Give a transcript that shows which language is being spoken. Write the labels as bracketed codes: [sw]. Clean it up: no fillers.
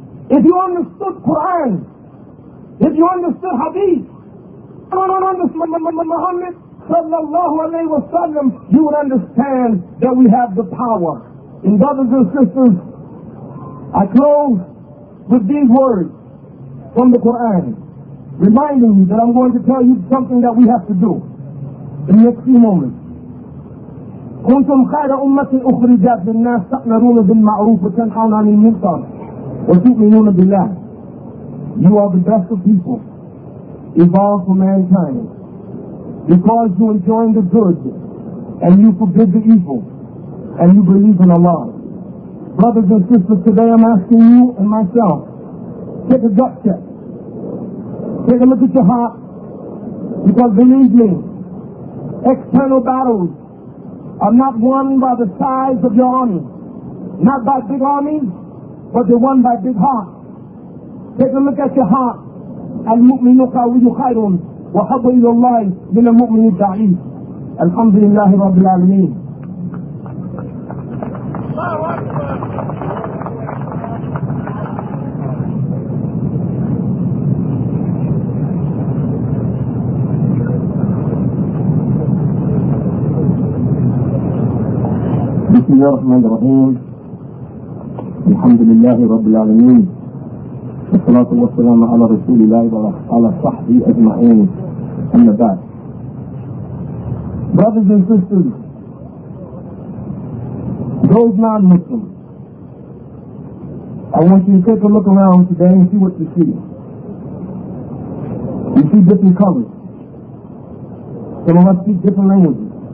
[en] If you understood Quran, if you understood Hadith, if you understood Muhammad sallallahu alayhi wa sallam, you would understand that we have the power. And brothers and sisters, I close with these words from the Quran, reminding you that I'm going to tell you something that we have to do in the next few moments. [ar] كنتم خير أمة أخرجت للناس تأمرون بالمعروف وتنهون عن المنكر وتؤمنون بالله. [en] You are the best of people evolved for mankind because you enjoin the good and you forbid the evil and you believe in Allah. Brothers and sisters, today I'm asking you and myself, take a gut check. Take a look at your heart. Because believe me, external battles are not won by the size of your army. Not by big armies, but they're won by big hearts. Take a look at your heart. [ar] المؤمن قوي خير وحب إلى الله من المؤمن الضعيف. الحمد لله رب العالمين. بسم الله الرحمن الرحيم. الحمد لله رب العالمين. الصلاة والسلام على رسول الله وعلى صحبه أجمعين. أما بعد. [en] Brothers and sisters, those non-Muslims, I want you to take a look around today and see what you see. You see different colors. Some of us speak different languages.